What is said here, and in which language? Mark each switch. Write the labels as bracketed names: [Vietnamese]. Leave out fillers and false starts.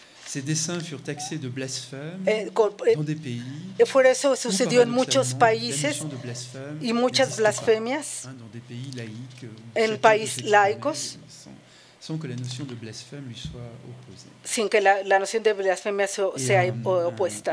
[French] Ces dessins furent taxés de blasphème dans des pays. Et pour [Spanish] eso sucedió en muchos países y muchas blasfemias [French] dans des pays laïcs. [Spanish] En países laicos. [French] Sans que la notion de blasphème lui soit opposée. [Spanish] Sin que la noción de blasfemia sea opuesta.